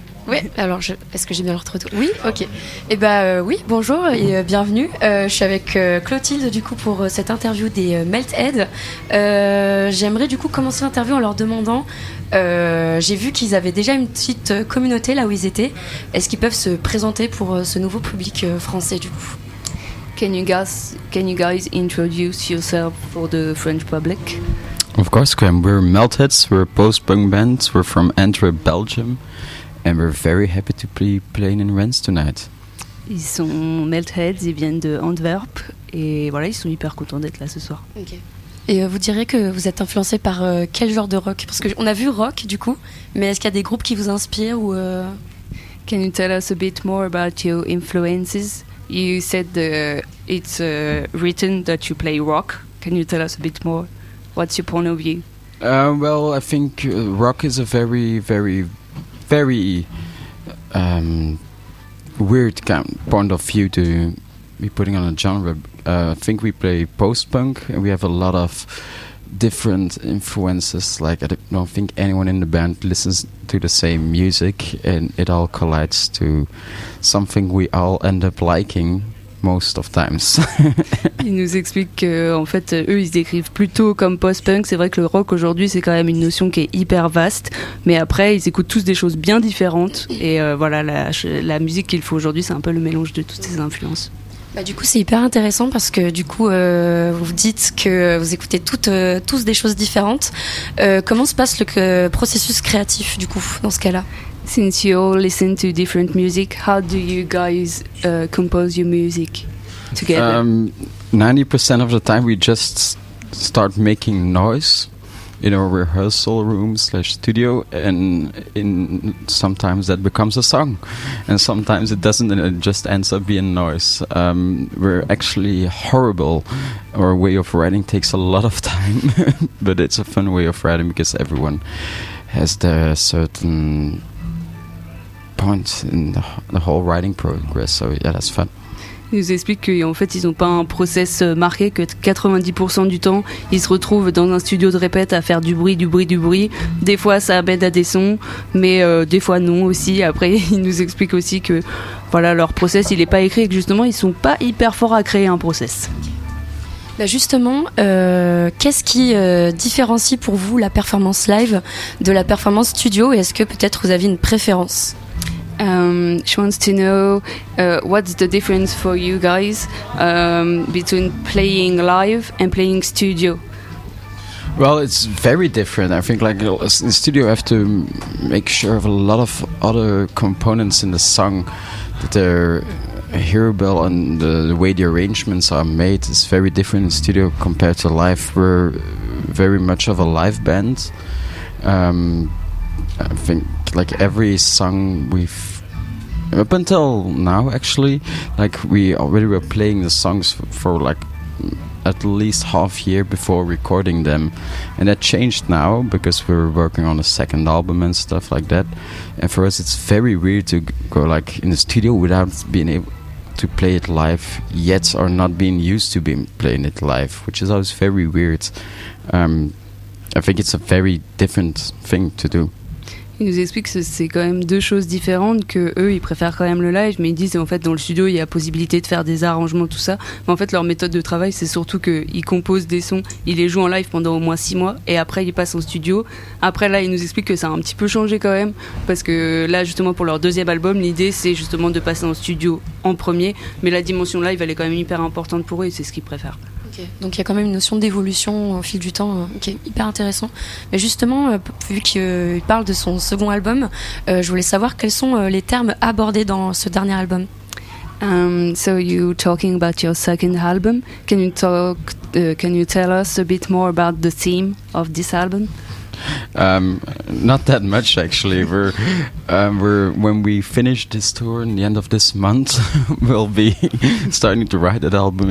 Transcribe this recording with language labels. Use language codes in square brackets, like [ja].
[fr] Oui, alors est-ce que j'ai bien le retour? Oui, ok. Oui, bonjour et bienvenue. Je suis avec Clotilde, du coup, pour cette interview des Melthead. J'aimerais, du coup, commencer l'interview en leur demandant, j'ai vu qu'ils avaient déjà une petite communauté là où ils étaient. Est-ce qu'ils peuvent se présenter pour ce nouveau public français, du coup? [en] Can you guys introduce yourself for the French public? Of course, Graham. We're Meltheads, we're a post-punk band, we're from Antwerp, Belgium, and we're very happy to be playing in Rennes tonight. [fr] Ils sont Meltheads, ils viennent de Antwerp, et voilà, ils sont hyper contents d'être là ce soir. Ok. Et vous diriez que vous êtes influencé par quel genre de rock? Parce qu'on a vu rock, du coup, mais est-ce qu'il y a des groupes qui vous inspirent ou... [en] Can you tell us a bit more about your influences? You said it's written that you play rock. Can you tell us a bit more? What's your point of view? Well, I think rock is a very, very, very weird kind of point of view to be putting on a genre. I think we play post-punk, and we have a lot of different influences. Like, I don't think anyone in the band listens to the same music, and it all collides to something we all end up liking. Most of times. [fr] Ils nous expliquent qu'en fait, eux, ils se décrivent plutôt comme post-punk. C'est vrai que le rock aujourd'hui, c'est quand même une notion qui est hyper vaste. Mais après, ils écoutent tous des choses bien différentes. Et voilà, la musique qu'ils font aujourd'hui, c'est un peu le mélange de toutes ces influences. Bah, du coup, c'est hyper intéressant parce que du coup, vous dites que vous écoutez tous des choses différentes. Comment se passe le processus créatif, du coup, dans ce cas-là? [en] Since you all listen to different music, how do you guys compose your music together? 90% of the time we just start making noise in our rehearsal room / studio, and sometimes that becomes a song, and sometimes it doesn't, and it just ends up being noise. We're actually horrible. Our way of writing takes a lot of time, but it's a fun way of writing because everyone has their certain points in the whole writing progress, so yeah, that's fun. [fr] Ils nous expliquent qu'en fait ils n'ont pas un process marqué, que 90% du temps ils se retrouvent dans un studio de répète à faire du bruit. Des fois ça aide à des sons, mais des fois non aussi. Après ils nous expliquent aussi que voilà, leur process il n'est pas écrit et que justement ils ne sont pas hyper forts à créer un process. Bah justement, qu'est-ce qui différencie pour vous la performance live de la performance studio, et est-ce que peut-être vous avez une préférence? [en] She wants to know what's the difference for you guys between playing live and playing studio. Well, it's very different. I think like in studio, I have to make sure of a lot of other components in the song, that they're hearable, and the way the arrangements are made is very different in studio compared to live. We're very much of a live band. I think like every song we've, up until now actually, like we already were playing the songs for like at least half year before recording them, and that changed now because we were working on a second album and stuff like that. And for us it's very weird to go like in the studio without being able to play it live yet, or not being used to being playing it live, which is always very weird. I think it's a very different thing to do. [fr] Ils nous expliquent que c'est quand même deux choses différentes, que eux ils préfèrent quand même le live, mais ils disent en fait dans le studio il y a possibilité de faire des arrangements, tout ça, mais en fait leur méthode de travail c'est surtout qu'ils composent des sons, ils les jouent en live pendant au moins 6 mois et après ils passent en studio. Après là ils nous expliquent que ça a un petit peu changé quand même, parce que là justement pour leur deuxième album l'idée c'est justement de passer en studio en premier, mais la dimension live elle est quand même hyper importante pour eux et c'est ce qu'ils préfèrent. Donc il y a quand même une notion d'évolution au fil du temps qui est hyper intéressant. Mais justement, vu qu'il parle de son second album, je voulais savoir quels sont les termes abordés dans ce dernier album. [en] So you talking about your second album, can you talk can you tell us a bit more about the theme of this album? Not that much actually. We're when we finish this tour in the end of this month, we'll be starting to write that album.